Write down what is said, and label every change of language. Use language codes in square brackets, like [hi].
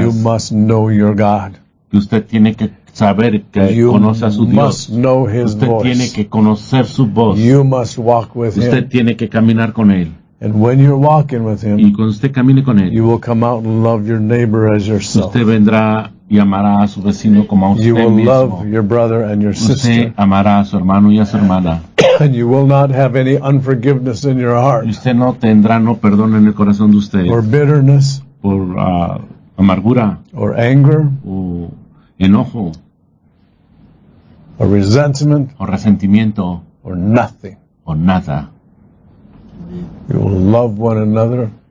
[en] That you must know your God. [es] Que usted tiene que saber que [en] you [es] conoce a su Dios. [en] You must know his [es] usted [en] voice. [es] Usted tiene que conocer su voz. [en] You must walk with [es] usted [en] him. [es] Usted tiene que caminar con él. [en] And when you're walking with him. [es] Y cuando usted camine con él. [en] You will come out and love your neighbor as yourself. [es] Usted vendrá y amará a su vecino como a usted mismo. [en] You will love your brother and your sister. [es] Usted amará a su hermano y a su hermana. [en] And you will not have any unforgiveness in your heart. [es] Usted no tendrá no perdón en el corazón de usted. [en] Or bitterness. [es] Por amargura. [en] Or anger. [es] O enojo. [en] Or resentment. [es] O resentimiento. [en] Or nothing. [es] O nada. [en] You will love one another.